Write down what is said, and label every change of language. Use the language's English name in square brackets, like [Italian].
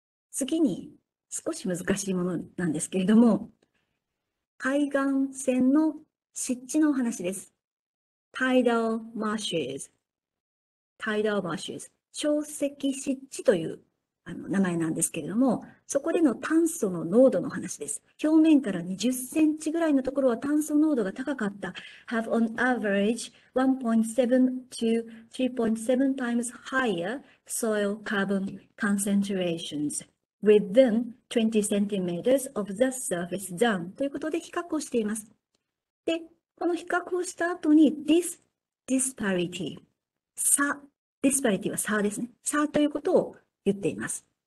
[Japanese] 次に少し難しいものなんですけれども、海岸線の湿地のお話です。 Tidal marshes。 Tidal marshes。潮汐湿地という名前なんですけれども、そこでの炭素の濃度の話です。表面から20センチぐらいのところは炭素濃度が高かった。 [English] Have on average 1.7 to 3.7 times higher soil carbon concentrations. Within 20 centimeters of the surface done [Japanese] ということで比較をしています。で、この比較をした後に this disparity 差、disparity は差ですね。差ということを言っています。